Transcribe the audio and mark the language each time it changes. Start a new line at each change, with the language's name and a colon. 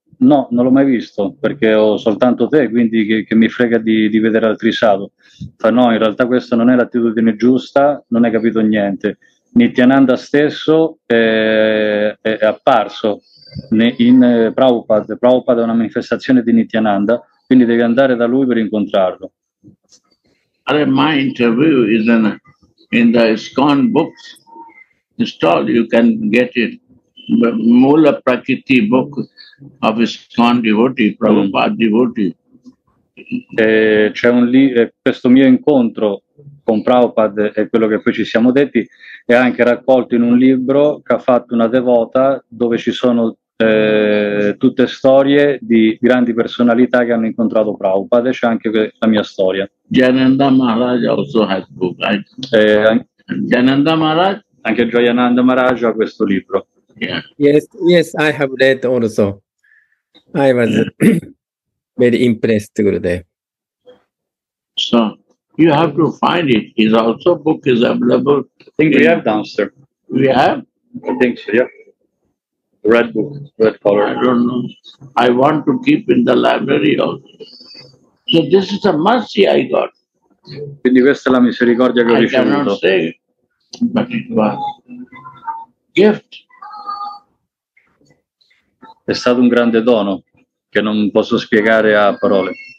Italian: No, non l'ho mai visto, perché ho soltanto te, quindi che mi frega di vedere altri sadhu. Fa, no, in realtà questa non è l'attitudine giusta, non hai capito niente. Nityananda stesso è apparso in Prabhupada. Prabhupada è una manifestazione di Nityananda, quindi devi andare da lui per incontrarlo.
English: Are my interview is in the ISKCON books. Install, you can get it. Mula Prakriti book of ISKCON devotee, Prabhupada devotee.
Italian: C'è un questo mio incontro con Prabhupada è quello che poi ci siamo detti, è anche raccolto in un libro che ha fatto una devota, dove ci sono tutte storie di grandi personalità che hanno incontrato Prabhupada, c'è anche la mia storia.
English: Jayananda Maharaj also has book, right? Jayananda Maharaj?
Italian: Anche Jayananda Maharaj ha questo libro.
English: Yeah. Yes, yes, I have read also. I was very impressed to go there. So, you have to find it. It's also book is available. I think we have downstairs. We have? I think so, yeah. Red book, red color. I don't know. I want to keep in the library also. So this is a mercy I got.
Italian: Quindi questa è la misericordia che ho ricevuto.
English: I cannot say, but it was gift.
Italian: È stato un grande dono che non posso spiegare a parole.